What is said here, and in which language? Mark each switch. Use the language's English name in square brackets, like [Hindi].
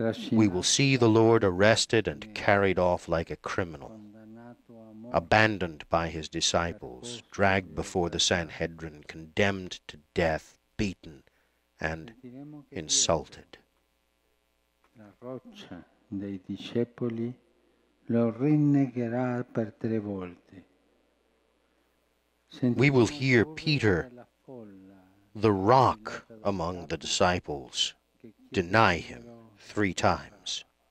[English] We will see the Lord arrested and carried off like a criminal, abandoned by his disciples, dragged before the Sanhedrin, condemned to death, beaten, and insulted. [Italian] La roccia dei discepoli lo rinnegherà per tre volte. [English] We will hear Peter, the rock among the disciples, deny him three times.